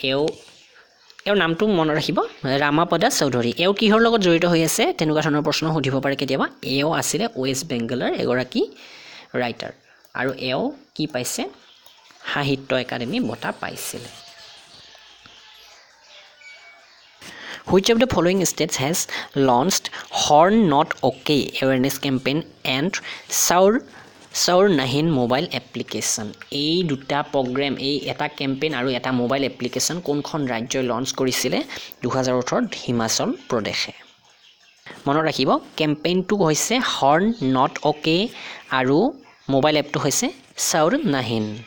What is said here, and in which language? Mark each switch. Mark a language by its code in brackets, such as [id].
[as] এওঁৰ নামটো মনত ৰাখিব, ৰামাপদ চৌধুৰী। এওঁ কিহৰ লগত জড়িত হৈ আছে, তেনেকুৱা ধৰণৰ প্ৰশ্ন সুধিব পাৰে কেতিয়াবা। এওঁ আছিলে ৱেষ্ট বেংগলৰ এগৰাকী ৰাইটাৰ, আৰু এওঁ কি পাইছে, সাহিত্য একাডেমী বঁটা পাইছিলে। [en] Which of the following states has launched Horn Not Okay awareness campaign and Saur Nahin mobile application? [as] এই দুটা প্ৰগ্ৰেম, এই এটা কেম্পেইন আৰু এটা মোবাইল এপ্লিকেশ্যন কোনখন ৰাজ্যই লঞ্চ কৰিছিলে 2018ত? হিমাচল প্ৰদেশে। মনত ৰাখিব, কেম্পেইনটো হৈছে Horn Not Okay আৰু মোবাইল এপটো হৈছে Saur Nahin।